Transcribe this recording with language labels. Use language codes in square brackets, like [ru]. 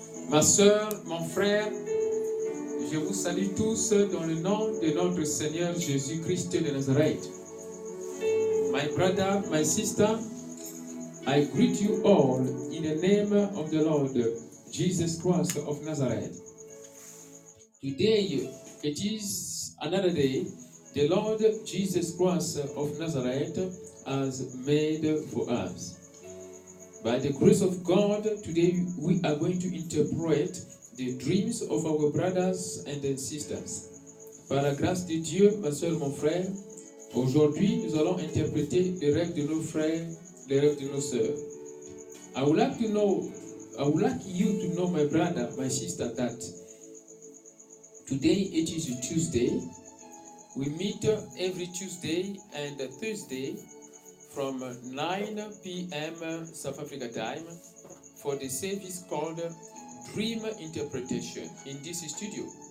[fr] Ma soeur, mon frère, je vous salue tous dans le nom de notre Seigneur Jésus-Christ de Nazareth. [en] My brother, my sister, I greet you all in the name of the Lord Jesus Christ of Nazareth. Today, it is another day the Lord Jesus Christ of Nazareth has made for us. By the grace of God, today we are going to interpret the dreams of our brothers and sisters. [fr] Par la grâce de Dieu, ma soeur, mon frère, aujourd'hui nous allons interpréter les rêves de nos frères, les rêves de nos soeurs. [en] I would like you to know, my brother, my sister, that today it is a Tuesday. We meet every Tuesday and Thursday from 9 p.m. South Africa time for the service called Dream Interpretation in this studio.